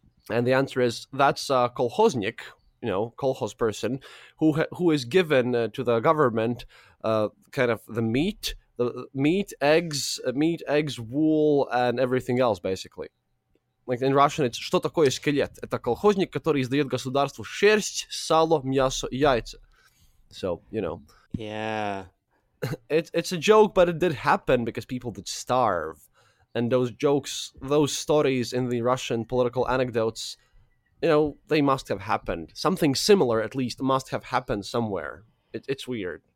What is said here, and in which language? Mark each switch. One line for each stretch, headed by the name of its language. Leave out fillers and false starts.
English: And the answer is, that's a kolkhoznik, you know, kolkhoz person who is given to the government kind of the meat, eggs, wool, and everything else, basically. Like in Russian, it's
Russian: что такое скелет? Это колхозник, который издает государству шерсть, сало, мясо, яйца.
English: So, you know. Yeah. It's a joke, but it did happen because people did starve. And those jokes, those stories in the Russian political anecdotes, you know, they must have happened. Something similar, at least, must have happened somewhere. It's weird.